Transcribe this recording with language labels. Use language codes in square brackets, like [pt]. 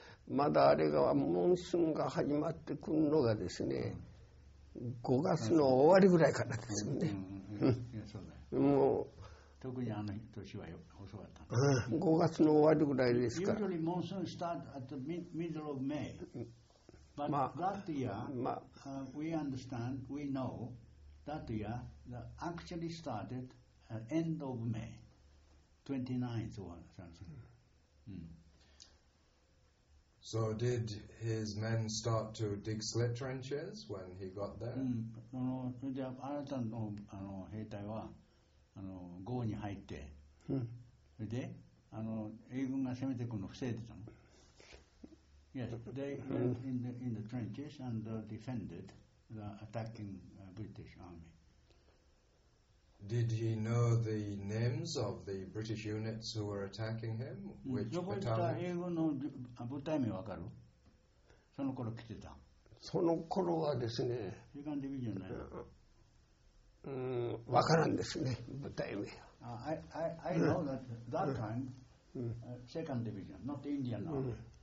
[ja] まだあれがモンスーンが始まってくるのがですね、5月の終わりぐらいからですよね。もう特にあの年は遅かった。 5月の終わりぐらいですか。 [en] Usually monsoon start at the middle of May. But that year, we understand, we know. That year, that actually started at end of May, 29th or something. So did his men start to dig slit trenches when he got there? [ja] それで新たなあの兵隊はあの壕に入って、それであの英軍が攻めてくるのを防いでたの。 [en] Yes, they went in the trenches and defended the attacking British army. Did he know the names of the British units who were attacking him? Which battalion? [ja] 英語の部隊名わかる？その頃来てた。その頃はですね。時間で見るんじゃない？わからんですね、部隊名。 [en] I know that time, second division, not Indian army.